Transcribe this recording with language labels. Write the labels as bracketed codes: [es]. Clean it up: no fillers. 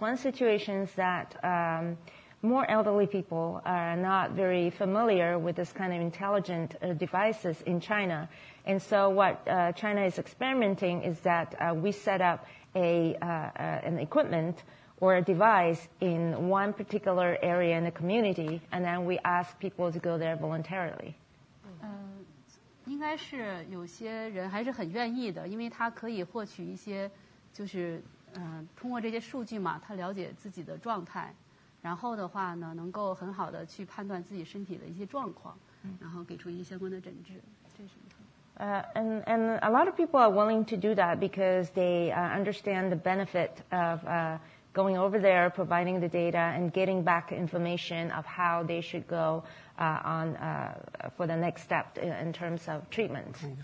[en] One situation is that more elderly people are not very familiar with this kind of intelligent devices in China. And so what China is experimenting is that we set up an equipment. Or a device in one particular area in the community, and then we ask people to go there voluntarily. [zh] 应该是有些人还是很愿意的，因为他可以获取一些，就是通过这些数据嘛，他了解自己的状态，然后的话呢，能够很好的去判断自己身体的一些状况，然后给出一些相关的诊治，这是。 [en] And a lot of people are willing to do that because they understand the benefit of. Going over there, providing the data, and getting back information of how they should go on for the next step in terms of treatment.